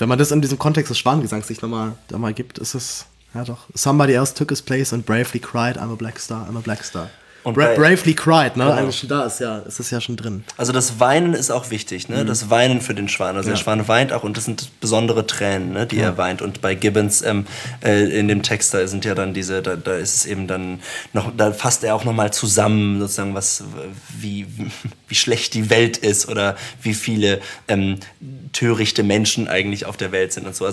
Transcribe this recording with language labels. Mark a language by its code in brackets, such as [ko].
[de] Wenn man das in diesem Kontext des Schwanengesangs sich nochmal gibt, ist es, ja doch. [en] Somebody else took his place and bravely cried, I'm a black star, I'm a black star. [de] Und [en] bravely cried, [de] ne? Genau. Schon da ist, ja, es ist ja schon drin. Also das Weinen ist auch wichtig, ne? Mhm. Das Weinen für den Schwan. Also ja. Der Schwan weint auch und das sind besondere Tränen, ne, die er weint. Und bei Gibbons in dem Text, da sind ja dann diese, da ist es eben dann noch, da fasst er auch nochmal zusammen, sozusagen, was, wie schlecht die Welt ist oder wie viele törichte Menschen eigentlich auf der Welt sind und so.